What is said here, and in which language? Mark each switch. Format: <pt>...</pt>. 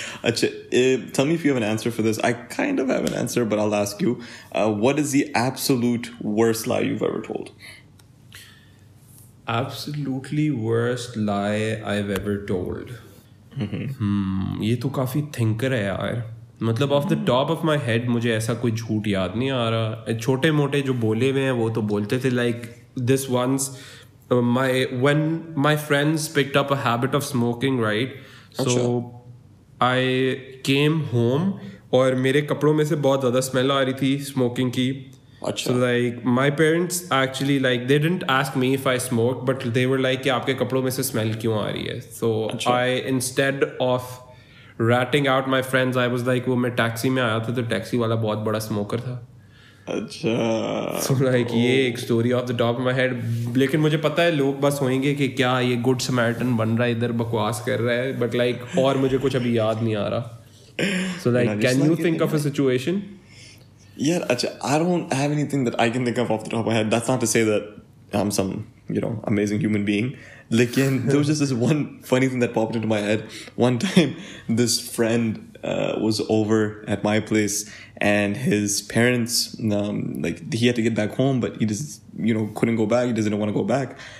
<en>Acha, tell me if you have an answer for this. I kind of have an answer, but I'll ask you. What is the absolute worst lie you've ever told? Absolutely worst lie I've ever told.</en> <hi>ये तो काफी thinker है यार. मतलब</hi> <en>off the top of my head</en> <hi>मुझे ऐसा कोई झूठ याद नहीं आ रहा. छोटे मोटे जो बोले हुए हैं वो तो बोलते थे.</hi> <en>Like this once when my friends picked up a habit of smoking, right? So I came home</en> <hi>और मेरे कपड़ों में से बहुत ज्यादा स्मेल आ रही थी स्मोकिंग की. अच्छा.</hi> <en>like my parents actually like they didn't ask me if I smoke, but they were like</en> <hi>कि आपके कपड़ों में से स्मेल क्यों आ रही है.</hi> <en>so I instead of ratting out my friends I was like,</en> <hi>वो मैं टैक्सी में आया था तो टैक्सी वाला बहुत बड़ा स्मोकर था. अच्छा.</hi> <en>So like ये एक story of the top of my head.</en> <hi>लेकिन मुझे पता है लोग बस होंगे कि क्या ये गुड समैरिटन बन रहा है इधर बकवास कर रहा है, बट लाइक और मुझे कुछ अभी याद नहीं आ रहा. So like</hi> <en>Can you think of a situation? Yeah, actually, I don't have anything that I can think of off the top of my head. That's not to say that I'm some, you know, amazing human being. Like, there was just this one funny thing that popped into my head. One time, this friend was over at my place, and his parents, he had to get back home, but he just, you know, couldn't go back. He doesn't want to go back.</en>